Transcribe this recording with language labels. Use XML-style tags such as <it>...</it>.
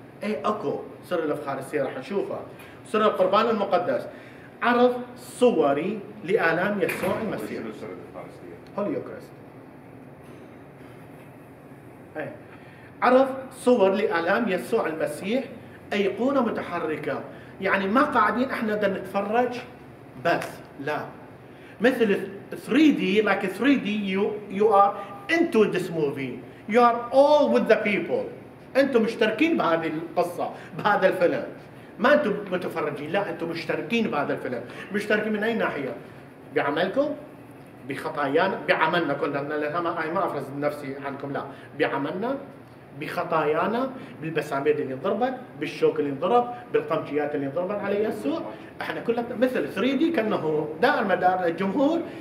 <ar>أي أكو سر الأفخارستية راح نشوفها. سر القربان المقدس عرض صوري لآلام يسوع المسيح. هوليوكريست. أي عرض صور لآلام يسوع المسيح أيقونة متحركة. يعني ما قاعدين إحنا دا نتفرج بس. لا. مثل</ar> <en>3D like 3D you are into this movie. You are all with the people.</en> <ar>أنتم مشتركين بهذه القصة بهذا الفيلم. ما أنتم متفرجين. لا أنتم مشتركين بهذا الفيلم. مشتركين من أي ناحية؟ بعملكم؟ بخطايانا؟ بعملنا كلنا لأن ما أي ما أفرز نفسي عنكم لا. بعملنا؟ بخطايانا؟ بالبسامير اللي انضربت؟ بالشوك اللي انضرب؟ بالقمشيات اللي انضربت على يسوع؟ إحنا كلنا مثل 3D كأنه دائر مدار الجمهور.</ar>